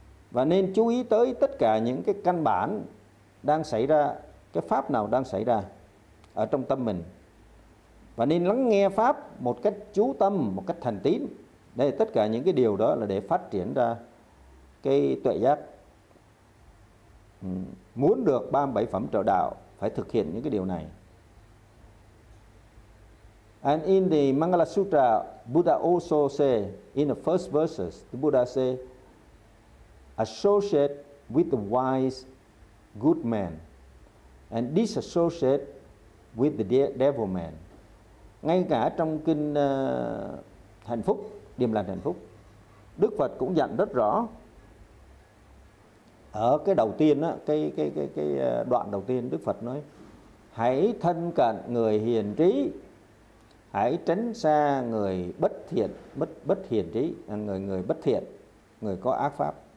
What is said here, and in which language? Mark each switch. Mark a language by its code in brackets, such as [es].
[vi] Và nên chú ý tới tất cả những cái căn bản đang xảy ra, cái pháp nào đang xảy ra ở trong tâm mình. Và nên lắng nghe pháp một cách chú tâm, một cách thành tín. Đây, tất cả những cái điều đó là để phát triển ra cái tuệ giác. Muốn được 37 phẩm trợ đạo phải thực hiện những cái điều này. [en] And in the Mangala Sutra, Buddha also say, in the first verses, the Buddha say, associate with the wise good man and disassociate with the devil man. [vi] Ngay cả trong kinh Hạnh Phúc, Điềm Lành Hạnh Phúc, Đức Phật cũng dặn rất rõ ở cái đầu tiên á, cái đoạn đầu tiên Đức Phật nói: hãy thân cận người hiền trí, hãy tránh xa người bất thiện, bất hiền trí, người bất thiện, người có ác pháp.